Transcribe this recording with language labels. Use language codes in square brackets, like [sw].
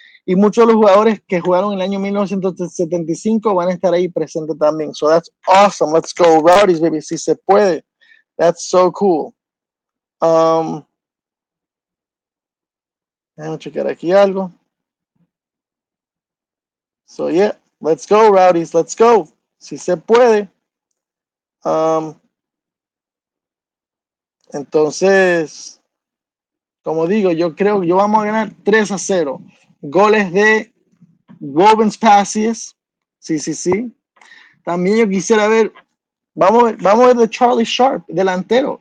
[es] Y muchos de los jugadores que jugaron en el año 1975 van a estar ahí presentes también. [en] So that's awesome. Let's go, Rowdies, baby, [es] si se puede. [en] That's so cool. [es] Déjame checar aquí algo. [en] So yeah, let's go, Rowdies, let's go. [es] Si se puede. Entonces, como digo, yo creo que vamos a ganar 3-0. Goles de Robbins Passes. Sí. También yo quisiera ver, vamos a ver de Charlie Sharp, delantero.